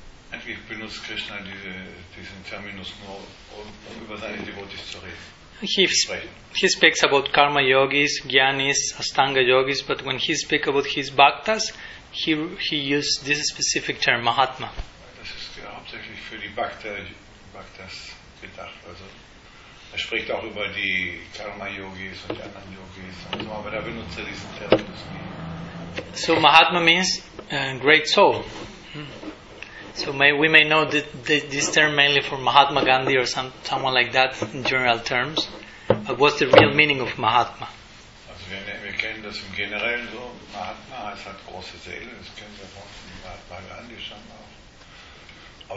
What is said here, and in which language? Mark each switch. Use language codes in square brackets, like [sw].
[de] Eigentlich benutzt Krishna diesen Terminus nur, um über seine Devotees zu reden. [en] He speaks about karma yogis, jnanis, astanga yogis, but when he speaks about his bhaktas, he uses this specific term, mahatma. [de] Das ist ja hauptsächlich für die Bhaktas gedacht, also. Er spricht auch über die Karma-Yogis und die anderen Yogis und so, aber da benutzt er diesen Terminus. [en] So Mahatma means great soul. So we may know this term mainly for Mahatma Gandhi or someone like that in general terms. But what's the real meaning of Mahatma? [de] Also wir kennen das im Generellen so. Mahatma heißt halt große Seele, das kennen wir von Mahatma Gandhi schon auch.